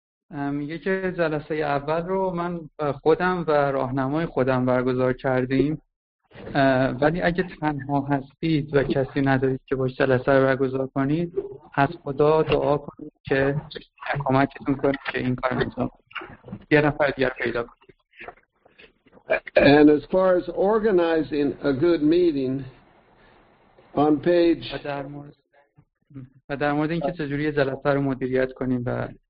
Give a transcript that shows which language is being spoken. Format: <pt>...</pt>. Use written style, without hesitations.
<fa>میگه که جلسه اول رو من خودم و راهنمای خودم برگزار کردیم، ولی اگه تنها هستید و کسی ندارید که باش جلسه رو برگزار کنید، از خدا دعا کنید که کمکتون کنه که این کار انجام یه نفر دیگر پیدا کنید.</fa> <en>And as far as organizing a good meeting on page</en> <fa>و در مورد اینکه چجوری جلسه رو مدیریت کنیم و</fa>